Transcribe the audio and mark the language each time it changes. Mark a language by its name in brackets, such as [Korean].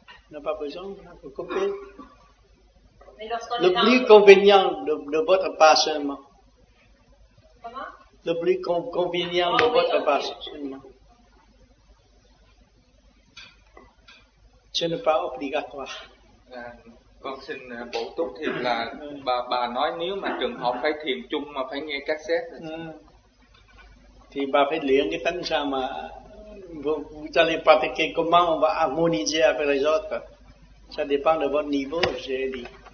[French] On n'a pas besoin, on va couper. Le plus convenient de votre part seulement. Comment? Le plus convenient de votre part seulement. Ce n'est pas obligatoire. [Vietnamese] Con xin bổ túc thêm là bà nói nếu mà trường hợp phải thiền chung mà phải nghe cassette thì bà phải luyện cái tánh sao mà [French] vous allez pratiquer comment on va harmoniser avec les autres. Ça dépend de votre niveau, j'ai dit.